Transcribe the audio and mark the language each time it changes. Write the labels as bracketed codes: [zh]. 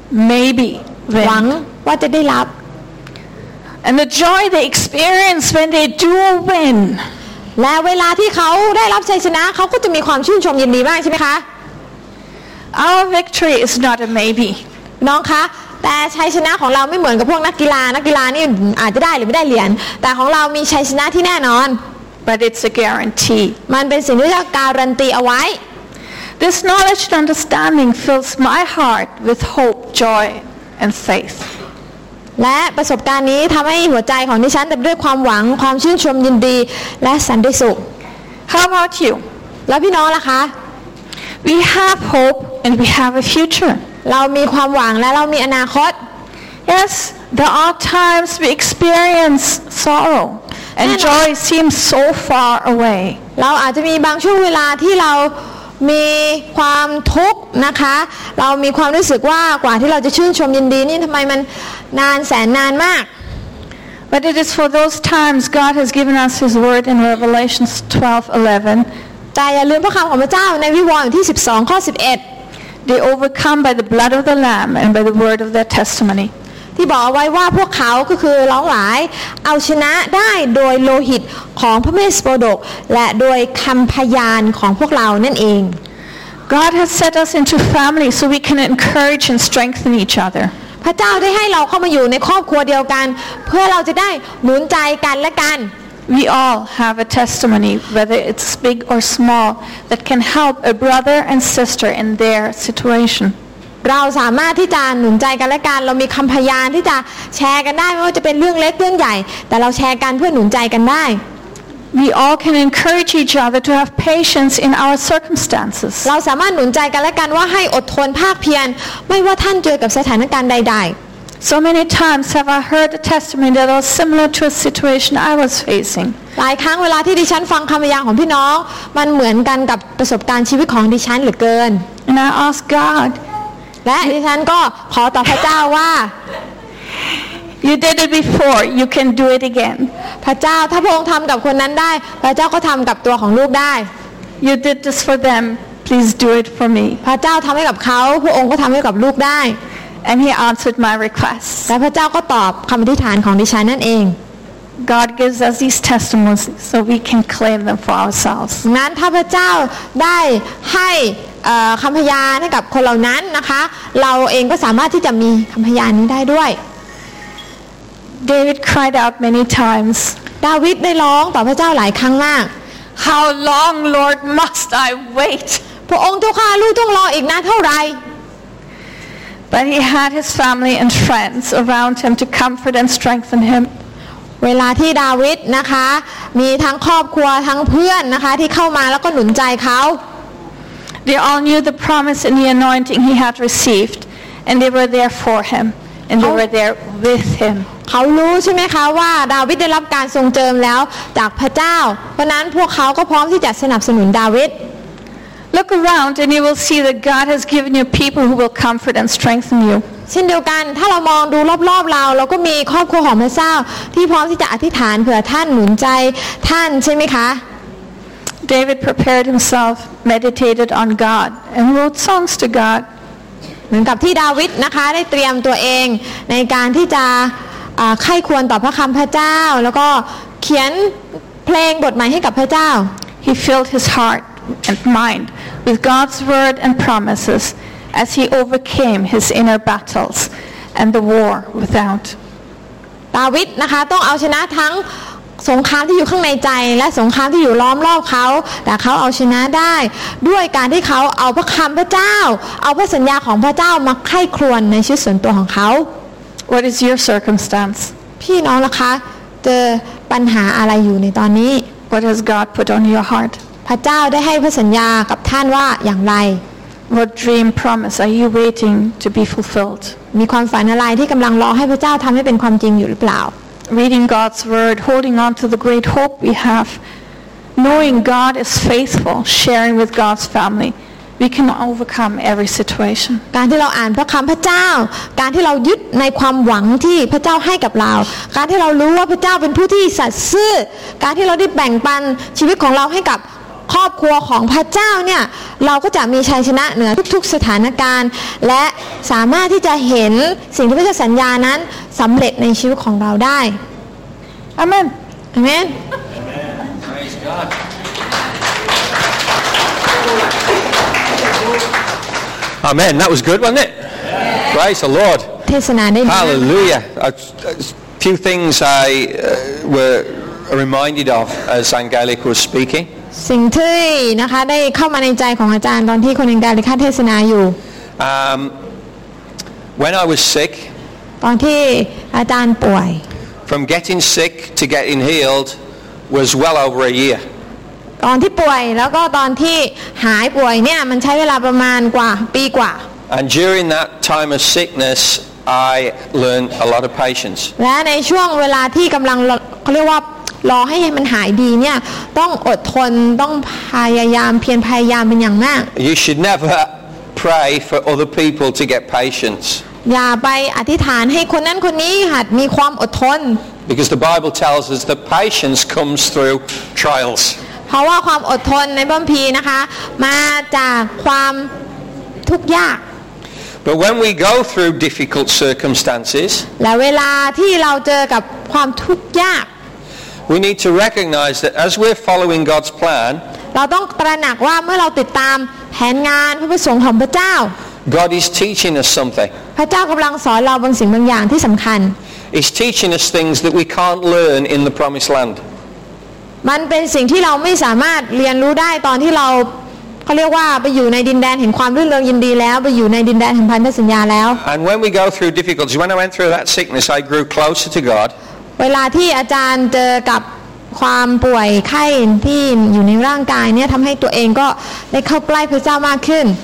[en] maybe win [th] หวังว่าจะได้รับ [en] And the joy they experience when they do win. [th] และเวลาที่เขาได้รับชัยชนะเขาก็จะมีความชื่นชมยินดีมากใช่ไหมคะ [en] Our victory is not a maybe. [th] น้องคะแต่ชัยชนะของเราไม่เหมือนกับพวกนักกีฬานักกีฬานี่อาจจะได้หรือไม่ได้เหรียญแต่ของเรามีชัยชนะที่แน่นอน [en] But it's a guarantee. [th] มันเป็นสิ่งที่จะการันตีเอาไว้ [en] This knowledge and understanding fills my heart with hope, joy, and faith. [th] และประสบการณ์นี้ทำให้หัวใจของดิฉันเต็มด้วยความหวังความชื่นชมยินดีและสันติสุข [en] How about you? [th] แล้วพี่น้องล่ะคะ [en] We have hope and we have a future. [th] เรามีความหวังและเรามีอนาคต [en] Yes, there are times we experience sorrow and joy seems so far away. [th] เราอาจจะมีบางช่วงเวลาที่เรามีความทุกข์นะคะเรามีความรู้สึกว่ากว่าที่เราจะชื่นชมยินดีนี่ทำไมมันนานแสนนานมาก [en] But it is for those times God has given us His word in Revelation 12:11 [th] แต่อย่าลืมพระคำของพระเจ้าในวิวรณ์ที่12ข้อ11 [en] They overcome by the blood of the Lamb and by the word of their testimony [th] ที่บอกไว้ว่าพวกเขาก็คือร้องหลายเอาชนะได้โดยโลหิตของพระเมสสโปดกและโดยคำพยานของพวกเรานั่นเอง [en] God has set us into family so we can encourage and strengthen each other [th] พระเจ้าได้ให้เราเข้ามาอยู่ในครอบครัวเดียวกันเพื่อเราจะได้หนุนใจกันและกัน [en] We all have a testimony whether it's big or small that can help a brother and sister in their situation [th] เราสามารถที่จะหนุนใจกันและกันเรามีคำพยานที่จะแชร์กันได้ไม่ว่าจะเป็นเรื่องเล็กเรื่องใหญ่แต่เราแชร์กันเพื่อหนุนใจกันได้ [en] We all can encourage each other to have patience in our circumstances [th] เราสามารถหนุนใจกันและกันว่าให้อดทนภาคเพียรไม่ว่าท่านเจอกับสถานการณ์ใด [en] ๆ So many times have I heard a testimony that was similar to a situation I was facing [th] หลายครั้งเวลาที่ดิฉันฟังคำพยานของพี่น้องมันเหมือนกันกับประสบการณ์ชีวิตของดิฉันเหลือเกิน [en] And I ask God [th] และดิฉันก็ขอต่อพระเจ้าว่า [en] You did it before you can do it again [th] พระเจ้าถ้าพระองค์ทำกับคนนั้นได้พระเจ้าก็ทำกับตัวของลูกได้ [en] You did this for them please do it for me [th] พระเจ้าทำให้กับเขาพระองค์ก็ทำให้กับลูกได้ [en] And he answered my request [th] และพระเจ้าก็ตอบคำอธิษฐานของดิฉันนั่นเอง [en] God gives us these testimonies so we can claim them for ourselves. [th] งั้นถ้าพระเจ้าได้ให้คำพยานให้กับคนเหล่านั้นนะคะเราเองก็สามารถที่จะมีคำพยานนี้ได้ด้วย [en] David cried out many times. [th] ดาวิดได้ร้องต่อพระเจ้าหลายครั้งมาก [en] How long, Lord, must I wait? [th] พระองค์เจ้าค่ะลูกต้องรออีกนานเท่าไหร่ [en] But he had his family and friends around him to comfort and strengthen him. [th] เวลาที่ดาวิดนะคะมีทั้งครอบครัวทั้งเพื่อนนะคะที่เข้ามาแล้วก็หนุนใจเขา [en] They all knew the promise and the anointing he had received and they were there for him and they were there with him [th] เขารู้ใช่ไหมคะว่าดาวิดได้รับการทรงเจิมแล้วจากพระเจ้าเพราะนั้นพวกเขาก็พร้อมที่จะสนับสนุนดาวิด [en] Look around and you will see that God has given you people who will comfort and strengthen you [th] เช่นเดียวกันถ้าเรามองดูรอบๆเราเราก็มีครอบครัวของพระเจ้าที่พร้อมที่จะอธิษฐานเผื่อท่านหนุนใจท่านใช่ไหมคะ [en] David prepared himself meditated on God and wrote songs to God [th] เหมือนกับที่ดาวิดนะคะได้เตรียมตัวเองในการที่จะใคร่ครวญต่อพระคำพระเจ้าแล้วก็เขียนเพลงบทใหม่ให้กับพระเจ้า [en] He filled his heart and mind with God's word and promises as he overcame his inner battles and the war without. [th] ดาวิดนะคะต้องเอาชนะทั้งสงครามที่อยู่ข้างในใจและสงครามที่อยู่ล้อมรอบเขาแต่เขาเอาชนะได้ด้วยการที่เขาเอาพระคำพระเจ้าเอาพระสัญญาของพระเจ้ามาใคร่ครวญในชีวิตส่วนตัวของเขา [en] What is your circumstance [th] พี่น้องล่ะคะเจอปัญหาอะไรอยู่ในตอนนี้ [en] What has God put on your heart [th] พระเจ้าได้ให้พระสัญญากับท่านว่าอย่างไร [en] What dream promise are you waiting to be fulfilled [th] มีความฝันอะไรที่กำลังรอให้พระเจ้าทำให้เป็นความจริงอยู่หรือเปล่า [en] Reading God's word, holding on to the great hope we have, knowing God is faithful, sharing with God's family, we can overcome every situation. [th] การที่เราอ่านพระคำพระเจ้าการที่เรายึดในความหวังที่พระเจ้าให้กับเราการที่เรารู้ว่าพระเจ้าเป็นผู้ที่สัตย์ซื่อการที่เราได้แบ่งปันชีวิตของเราให้กับครอบครัวของพระเจ้าเนี่ยเราก็จะมีชัยชนะเหนือทุกๆสถานการณ์และสามารถที่จะเห็นสิ่งที่พระเจ้าสัญญานั้นสำเร็จในชีวิตของเราได้อาเมนอาเมน [en] อาเมน That was good wasn't it Praise the Lord [th] เทศนาได้ดี [en] Hallelujah A few things I were reminded of as Angelic was speaking [th] สิ่งที่นะคะได้เข้ามาในใจของอาจารย์ตอนที่คุณอังกาลิกาเทศนาอยู่ [en] when I was sick [th] ตอนที่อาจารย์ป่วย [en] from getting sick to getting healed was well over a year [th] ตอนที่ป่วยแล้วก็ตอนที่หายป่วยเนี่ยมันใช้เวลาประมาณกว่าปีกว่า [en] and during that time of sicknessI learned a lot of patience. [th] และในช่วงเวลาที่กำลังเขาเรียกว่ารอให้มันหายดีเนี่ยต้องอดทนต้องพยายามเพียรพยายามเป็นอย่างมาก [en] You should never pray for other people to get patience. [th] อย่าไปอธิษฐานให้คนนั้นคนนี้หัดมีความอดทน [en] Because the Bible tells us that patience comes through trials. [th] เพราะว่าความอดทนในพระคัมภีร์นะคะมาจากความทุกข์ยาก [en] But when we go through difficult circumstances, [th] และเวลาที่เราเจอกับความทุกข์ยาก [en] we need to recognize that as we're following God's plan, [th] เราต้องตระหนักว่าเมื่อเราติดตามแผนงานพระประสงค์ของพระเจ้า [en] God is teaching us something. [th] พระเจ้ากำลังสอนเราบางสิ่งบางอย่างที่สำคัญ [en] He's teaching us things that we can't learn in the promised land. [th] มันเป็นสิ่งที่เราไม่สามารถเรียนรู้ได้ตอนที่เราเขาเรียกว่าไปอยู่ในดินแดนแห่งความรื่นเริงยินดีแล้วไปอยู่ในดินแดนแห่งพันธสัญญาแล้ว [en] And when we go through difficulties when I went through that sickness I grew closer to God [th] เวลาที่อาจารย์เจอกับความป่วยไข้ที่อยู่ในร่างกายเนี่ยทำให้ตัวเองก็ได้เข้าใกล้พระเจ้ามากขึ้น